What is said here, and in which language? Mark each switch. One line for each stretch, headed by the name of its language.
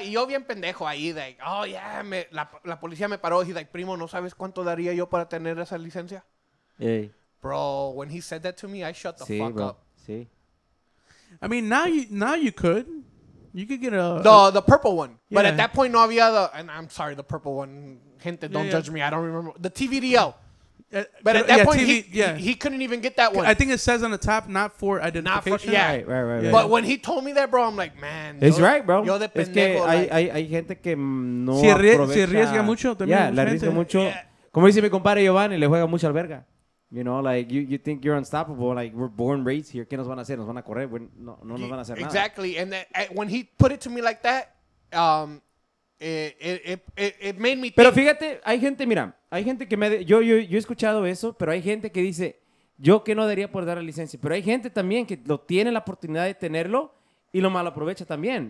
Spanish: Y yo bien pendejo ahí,
English: like, oh, yeah,
Spanish: la policía me paró.
English: He's like,
Spanish: primo, ¿no sabes cuánto daría yo para tener esa licencia?
English: Hey. Bro, when he said that to me, I shut the
Spanish: sí,
English: fuck bro. Up.
Spanish: Sí.
English: I mean, now you could. You could get a... The purple one. Yeah. But at that point,
Spanish: no había
English: the... And I'm sorry, the purple one. Gente, don't judge me. I don't remember. The TVDL. But at that point, he couldn't even get that one. I think it says on the top, not for identification. Not for, Right. Yeah. But when he told me that, bro, I'm like, man. It's yo, right, bro.
Spanish: Yo de pendejo. Es que hay gente que no aprovecha. Se arriesga mucho. Yeah, le arriesga mucho. Como dice mi compadre Giovanni, le juega mucho al verga.
English: You know, like, you think you're unstoppable. Like, we're born raised here.
Spanish: ¿Qué nos van a hacer?
English: ¿Nos van a correr? No nos van a hacer exactly.
Spanish: Nada.
English: Exactly. And when he put it to me like that, it made me think.
Spanish: Pero fíjate, hay gente, mira, hay gente que me... Yo he escuchado eso, pero hay gente que dice, yo que no debería poder dar la licencia. Pero hay gente también que lo tiene la oportunidad de tenerlo y lo mal aprovecha también.